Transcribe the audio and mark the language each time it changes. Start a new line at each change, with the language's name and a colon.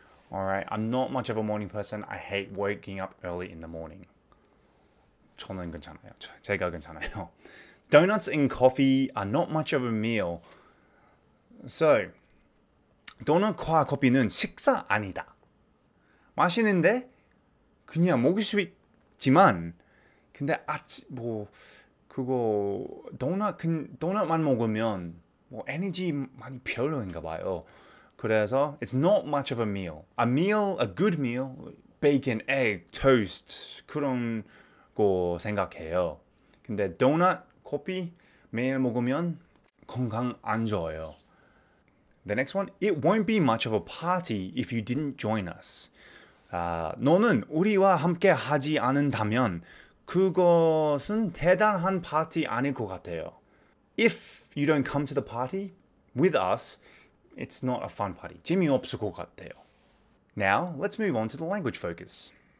English: Alright, I'm not much of a morning person. I hate waking up early in the morning.
Korean: 저는 괜찮아요. 제가 괜찮아요.
English: Donuts and coffee are not much of a meal. So,
Korean: 도넛과 커피는 식사 아니다. 맛있는데 그냥 먹을 수 있지만 근데 아침 뭐 그거 도넛만 먹으면 뭐 에너지 많이 별로인가 봐요. 그래서
English: it's not much of a meal. A meal, a good meal, bacon, egg, toast
Korean: 그런 거 생각해요. 근데 도넛 커피 매일 먹으면 건강 안 좋아요.
English: The next one, it won't be much of a party if you didn't join us.
Korean: 너는 우리와 함께 하지 않는다면 그것은 대단한 파티 아닐 것 같아요.
English: If you don't come to the party with us, it's not a fun party.
Korean: 재미없을 것 같아요.
English: Now, let's move on to the language focus.